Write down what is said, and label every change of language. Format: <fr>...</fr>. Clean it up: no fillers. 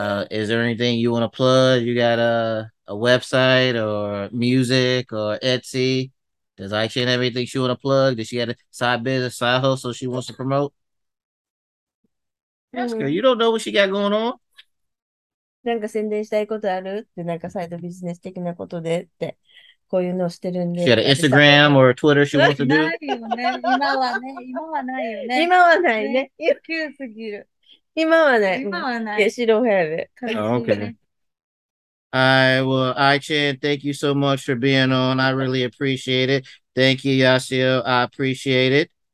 <en>Is there anything you want to plug? You got a website or music or Etsy? Does Aichan have anything she want to plug? Does she have a side business, side hustle she wants to promote? Ask her. You don't know what she got going on.</en> <ja>なんか宣伝したいことあるってなんかサイドビジネス的なことでってこういうのをしてるんで。</ja> <en>She got an Instagram or Twitter she wants to do.</en> <ja>ないよね。今はないね。急すぎる。今はない。</ja> <en>Yeah, she don't have it. Oh, okay. Well, Aichan, thank you so much for being on. I really appreciate it. Thank you, Yasuyo. I appreciate it.</en>